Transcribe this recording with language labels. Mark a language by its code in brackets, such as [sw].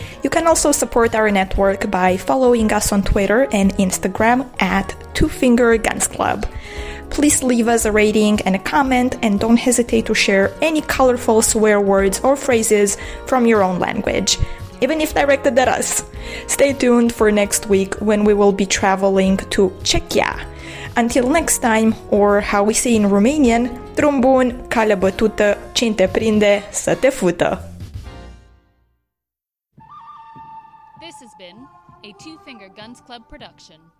[en] You can also support our network by following us on Twitter and Instagram at Two Finger Guns Club. Please leave us a rating and a comment, and don't hesitate to share any colorful swear words or phrases from your own language, even if directed at us. Stay tuned for next week when we will be traveling to Czechia. Until next time, or how we say in Romanian, [ro] drum bun, calea bătută, cine te prinde, să te fută. [en] This has been a Two Finger Guns Club production.